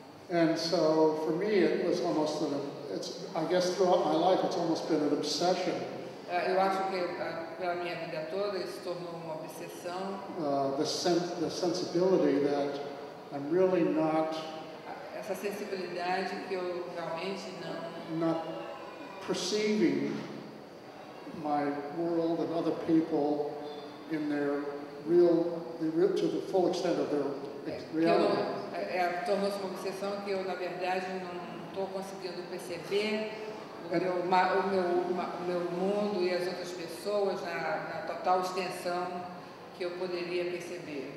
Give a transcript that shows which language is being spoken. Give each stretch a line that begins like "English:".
English: And so, for me, it was almost an, I guess throughout my life, it's almost been an obsession.
Portuguese: Eu acho que pela minha vida toda isso tornou uma obsessão.
English: The sensibility that I'm really not.
Portuguese: Essa sensibilidade que eu realmente não.
English: Not perceiving my world and other people in their real, to the full extent of their reality.
Portuguese: Tornou-se uma obsessão que eu, na verdade, não estou conseguindo perceber o meu mundo e as outras pessoas na total extensão que eu poderia perceber.